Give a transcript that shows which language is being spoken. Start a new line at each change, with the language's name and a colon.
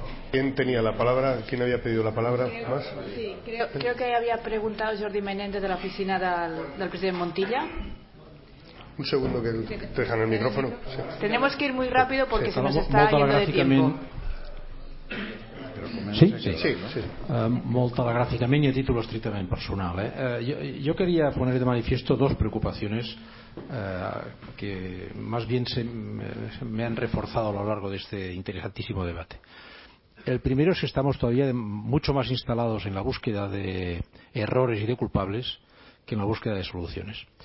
Spanish: ¿Quién tenía la palabra? ¿Quién había pedido la palabra? ¿Más? Sí, creo que había preguntado Jordi Menéndez de la oficina del presidente Montilla. Un segundo que te dejan el micrófono. Sí. Tenemos que ir muy rápido porque se nos está yendo de tiempo. Sí, sí.
Catalan: Molt telegràficament i a títol estrictament personal. Jo queria
Spanish: poner de manifiesto 2 preocupaciones que más bien me han reforzado a lo largo de este interesantísimo debate. El primero es que estamos todavía mucho más instalados en la búsqueda de errores y de culpables que en la búsqueda de soluciones.